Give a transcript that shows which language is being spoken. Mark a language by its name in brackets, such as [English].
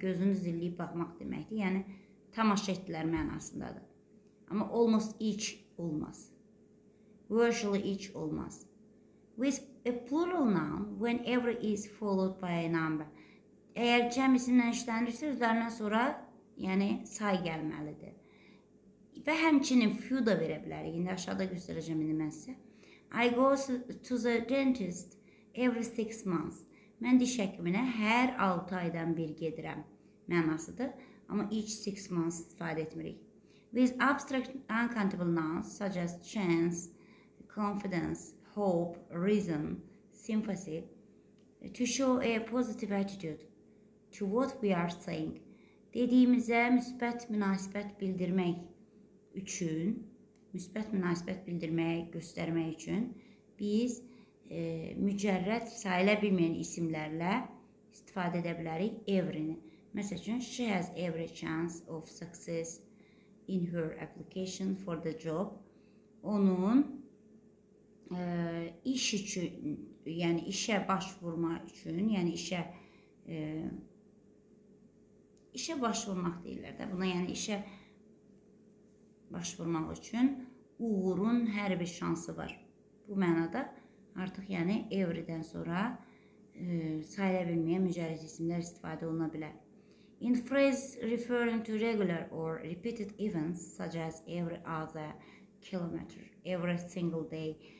[Azerbaijani] Gözünü zilləyib baxmaq deməkdir. Yəni tamaşa etdilər mənasındadır. Amma almost each olmaz. Virtually each olmaz. [English] With a plural noun when every is followed by a number. [Azerbaijani] Əgər cəm isimlə işlənirsə üzərinə sonra yəni say gəlməlidir. Və həmçinin few da verə bilərik. İndi aşağıda göstərəcəm indi mən sizə. [English] I go to the dentist every 6 months. [Azerbaijani] Mən diş həkiminə hər 6 aydan bir gedirəm mənasıdır. Amma [English] each 6 months [Azerbaijani] istifadə etmirik. [English] With abstract uncountable nouns such as chance, confidence, hope, reason, sympathy to show a positive attitude to what we are saying. [Azerbaijani] Dediyimizə müsbət münasibət bildirmək üçün, müsbət münasibət bildirmək, göstərmək üçün biz mücərrəd sayılə bilməyən isimlərlə istifadə edə bilərik every-ni. Məsəl üçün, [English] she has every chance of success in her application for the job. [Azerbaijani] Onun iş üçün, yəni işə başvurma üçün, yəni işə işə başvurmaq deyirlər də. Buna yəni işə başvurmaq üçün uğurun hər bir şansı var. Bu mənada artıq yəni every-dən sonra sayılə bilməyən mücərrəd isimlər istifadə oluna bilər. [English] In phrase referring to regular or repeated events such as every other kilometer, every single day.